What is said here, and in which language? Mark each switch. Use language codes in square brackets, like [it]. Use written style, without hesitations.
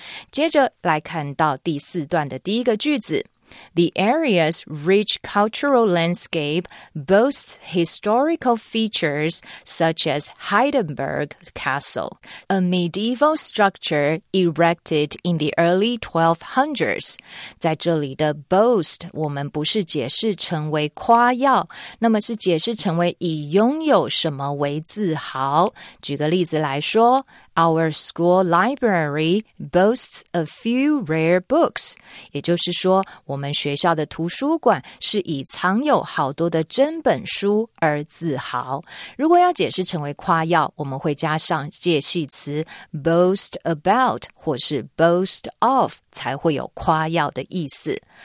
[zh] 接着来看到第四段的第一个句子， [en] The area's rich cultural landscape boasts historical features such as Heidelberg Castle, a medieval structure erected in the early 1200s. [zh] 在这里的 boast 我们不是解释成为夸耀，那么是解释成为以拥有什么为自豪。举个例子来说， [en] Our school library boasts a few rare books. [zh] 也就是说，我们学校的图书馆是以藏有好多的珍本书而自豪。如果要解释成为夸耀，我们会加上介系词 boast about 或是 boast of， 才会有夸耀的意思。